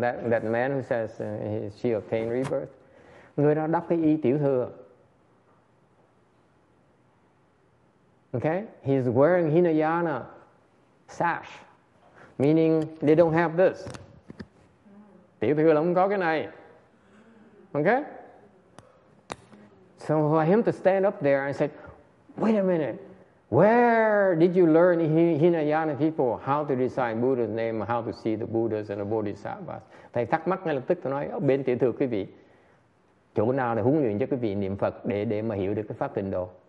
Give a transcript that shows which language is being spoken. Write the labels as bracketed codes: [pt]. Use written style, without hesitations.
[en] That man who says she obtained rebirth. [vi] Người đó đắp cái y tiểu thừa. [en] Okay? He's wearing Hinayana sash. Meaning they don't have this. [vi] Tiểu thừa là không có cái này. [en] Okay? So for him to stand up there, I said, wait a minute, where did you learn Hinayana people how to recite Buddha's name, how to see the Buddhas and the Bodhisattvas? [vi] Thầy thắc mắc ngay lập tức, tôi nói, bên tiểu thừa quý vị, chỗ nào để huấn luyện cho quý vị niệm Phật để mà hiểu được cái pháp tịnh độ?